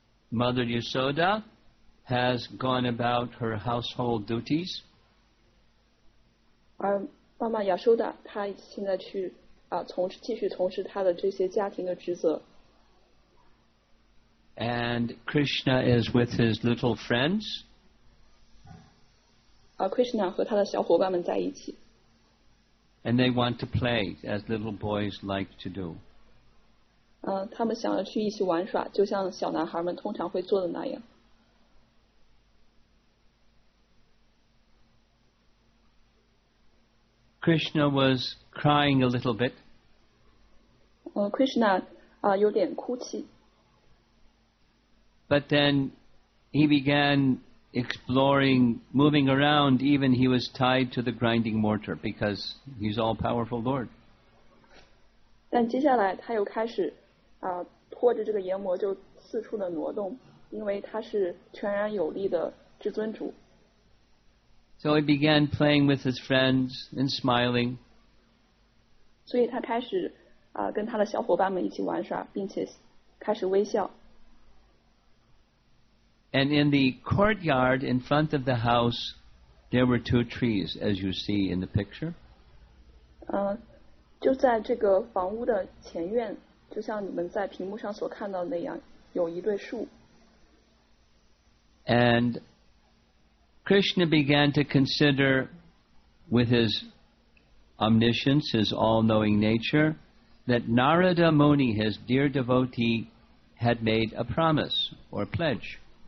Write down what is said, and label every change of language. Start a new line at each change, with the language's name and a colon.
English: Mother Yasoda has gone about her household duties.
Chinese: 而妈妈亚修达她现在去继续从事她的这些家庭的职责。
English: And Krishna is with his little friends.
Chinese: Krishna 和他的小伙伴们在一起。
English: And they want to play, as little boys like to do.
Chinese: 他们想要去一起玩耍，就像小男孩们通常会做的那样。
English: Krishna was crying a little bit.
Chinese: Krishna 有点哭泣。
English: But then he began exploring, moving around, even he was tied to the grinding mortar because he's all-powerful Lord.
Chinese: 但接下来他又开始拖着这个研磨就四处的挪动，因为他是全然有力的至尊主。
English: So he began playing with his friends and smiling.
Chinese: 所以他开始跟他的小伙伴们一起玩耍，并且开始微笑。
English: And in the courtyard in front of the house, there were two trees, as you see in the picture.
Chinese: 就在这个房屋的前院，就像你们在屏幕上所看到的那样，有一对树。
English: And Krishna began to consider with his omniscience, his all-knowing nature, that Narada Muni, his dear devotee, had made a promise or pledge.